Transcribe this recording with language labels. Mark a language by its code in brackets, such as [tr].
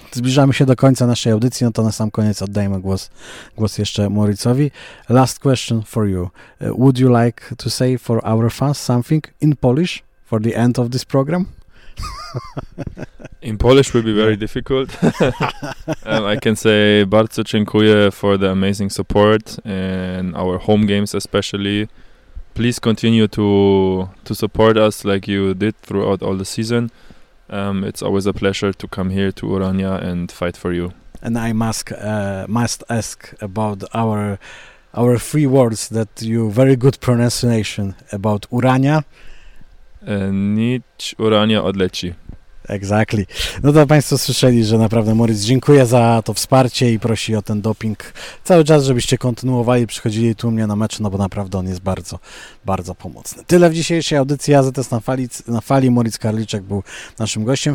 [pl] Zbliżamy się do końca naszej audycji, no to na sam koniec oddajmy głos jeszcze Mauricowi. [en] Last question for you. Would you like to say for our fans something in Polish for the end of this program? In Polish will be very difficult. I can say [pl] bardzo dziękuję [en] for the amazing support and our home games especially. Please continue to support us like you did throughout all the season. It's always a pleasure to come here to Urania and fight for you. And I must ask about our 3 words that you very good pronunciation about Urania. [pl] Nic Urania odleci. [en] Exactly. [pl] No to Państwo słyszeli, że naprawdę Maurice dziękuję za to wsparcie i prosi o ten doping cały czas, żebyście kontynuowali, przychodzili tu u mnie na mecz, no bo naprawdę on jest bardzo, bardzo pomocny. Tyle w dzisiejszej audycji AZS na fali. Maurice Karliczek był naszym gościem.